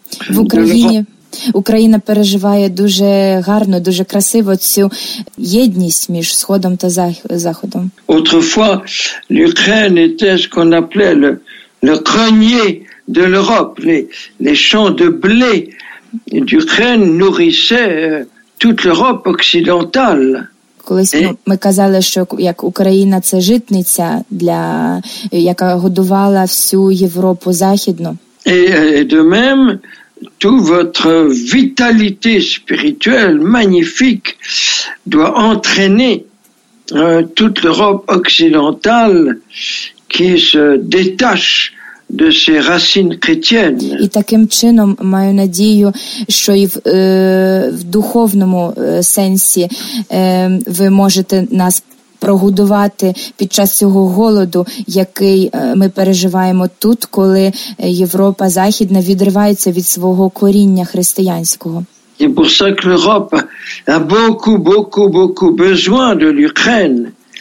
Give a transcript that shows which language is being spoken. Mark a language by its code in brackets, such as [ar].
[uk] В Україні Україна переживає дуже гарно, дуже красиво цю єдність між Сходом та Заходом. [fr] Autrefois, l'Ukraine était ce qu'on appelait le grenier de l'Europe. Les champs de blé d'Ukraine nourrissaient toute l'Europe occidentale. [uk] Колись ми казали, що як Україна це житниця для яка годувала всю Європу Західну. [fr] Et de même, toute votre vitalité spirituelle magnifique doit entraîner toute l'Europe occidentale qui se détache de ses racines chrétiennes. [uk] І таким чином маю надію, що і в духовному сенсі ви можете нас прогодувати під час цього голоду, який ми переживаємо тут, коли Європа Західна відривається від свого коріння християнського. [fr] Et pour ça que l'Europe a beaucoup, beaucoup, beaucoup besoin de l'Ukraine.